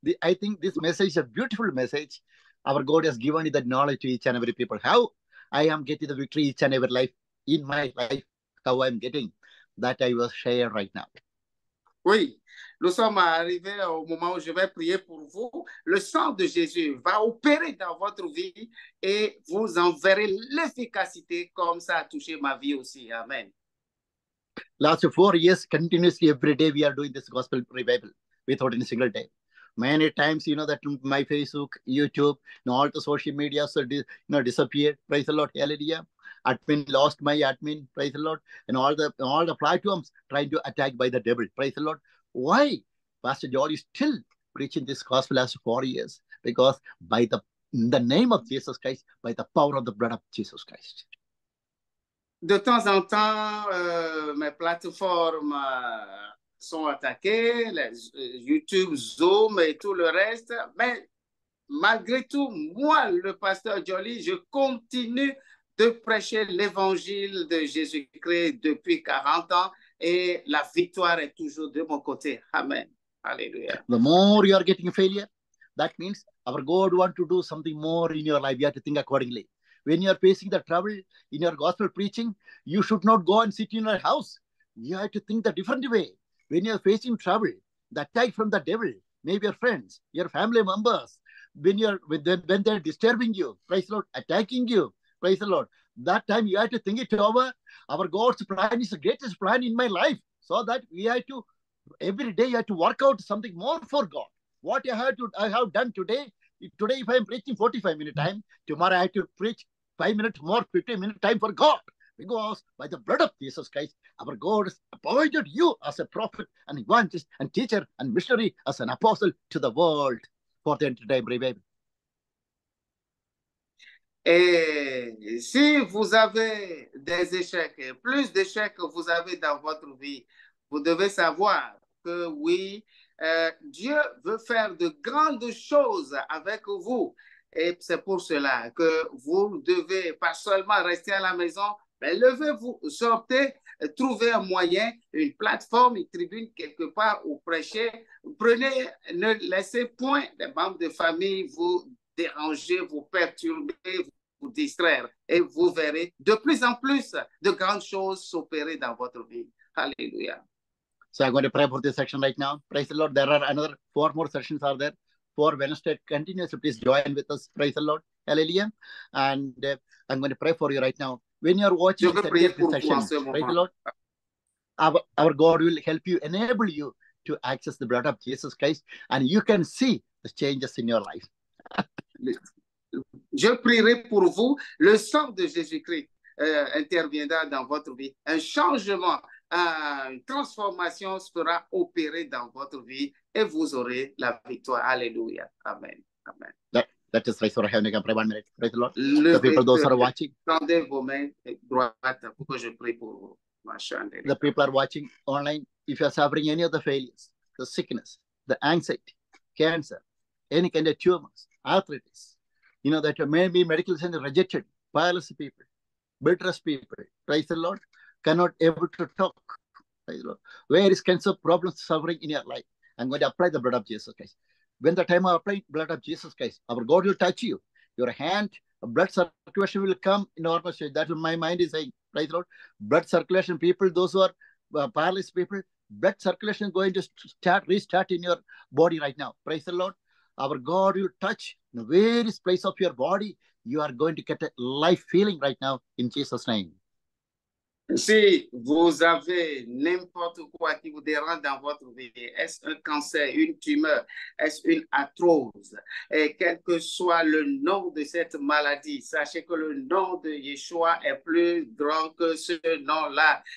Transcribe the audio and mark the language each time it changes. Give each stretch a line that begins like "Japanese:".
English: I think this message is a beautiful message. Our God has given you the knowledge to each and every people. How I am getting the victory each and every life in my life. How I'm getting that I will share right now.
French: Oui, nous sommes arrivés au moment où je vais prier pour vous. Le sang de Jésus va opérer dans votre vie et vous en verrez l'efficacité comme ça a touché ma vie aussi. Amen.
English: Last 4 years, continuously every day we are doing this gospel revival without any single day. Many times, you know, that my Facebook, YouTube, and all the social media, so you know, disappeared. Praise the Lord. Hallelujah. Admin lost my admin, praise the Lord, and all the platforms trying to attack by the devil, praise the Lord. Why Pastor Jolly is still preaching this gospel as 4 years? Because by the in the name of Jesus Christ, by the power of the blood of Jesus Christ.
French: De temps en temps, mes plateformes sont attaquées, les YouTube, Zoom et tout le reste. Mais malgré tout, moi, le Pasteur Jolly, je continue de prêcher l'évangile de Jésus-Christ depuis 40 ans et la victoire est toujours de mon côté. Amen. Alléluia.
English: The more you are getting failure, that means our God wants to do something more in your life. You have to think accordingly. When you are facing the trouble in your gospel preaching, you should not go and sit in your house. You have to think the different way. When you are facing trouble, the attack from the devil, maybe your friends, your family members, when you are with them, when they are disturbing you, praise the Lord, attacking you, praise the Lord. That time you have to think it over. Our God's plan is the greatest plan in my life. So that we have to, every day you have to work out something more for God. What I have done today, today, if I'm preaching 45 minute time, tomorrow I have to preach 5 minutes more, 15 minute time for God. Because by the blood of Jesus Christ, our God has appointed you as a prophet and evangelist and teacher and missionary as an apostle to the world for the entire time, revival.
French: Et si vous avez des échecs, plus d'échecs que vous avez dans votre vie, vous devez savoir que oui, Dieu veut faire de grandes choses avec vous. Et c'est pour cela que vous devez pas seulement rester à la maison, mais levez-vous, sortez, trouvez un moyen, une plateforme, une tribune quelque part où prêcher. Prenez, ne laissez point les membres de famille vous déranger, vous perturber, vous distraire. Et vous verrez de plus en plus de grandes choses s'opérer dans votre vie. Alléluia.
English: So I'm going to pray for this section right now. Praise the Lord. There are another 4 more sessions are there. 4 Wednesday continuously. Please join with us. Praise the Lord. Hallelujah. And I'm going to pray for you right now. When you're watching this session, praise the Lord. Our God will help you, enable you to access the blood of Jesus Christ. And you can see the changes in your life.
French: Je prierai pour vous. Le sang de Jésus-Christ interviendra dans votre vie. Un changement. Une transformation sera opérée dans votre vie et vous aurez la victoire. Alléluia. Amen. Amen.
English: That is right for heaven. You can pray 1 minute. Praise the Lord. The people, those are watching.
French: Tendez vos mains droites pour que je prie pour vous.
English: The people are watching online. If you are suffering any of the failures, the sickness, the anxiety, cancer, any kind of tumors, arthritis, you know that you may be medical center rejected, paralyzed people, bitterest people, praise the Lord. Cannot able to talk. Praise the Lord. Where is cancer problems suffering in your life? I'm going to apply the blood of Jesus Christ. When the time of applying blood of Jesus Christ, our God will touch you. Your hand, blood circulation will come in normal state. That's what my mind is saying. Praise the Lord. Blood circulation people, those who are paralyzed people, blood circulation is going to restart in your body right now. Praise the Lord. Our God will touch in the various place of your body. You are going to get a life feeling right now in Jesus' name.
French: Si vous avez n'importe quoi qui vous dérange dans votre vie, est-ce un cancer, une tumeur, est-ce une arthrose, et quel que soit le nom de cette maladie, sachez que le nom de Yeshua est plus grand que ce nom-là.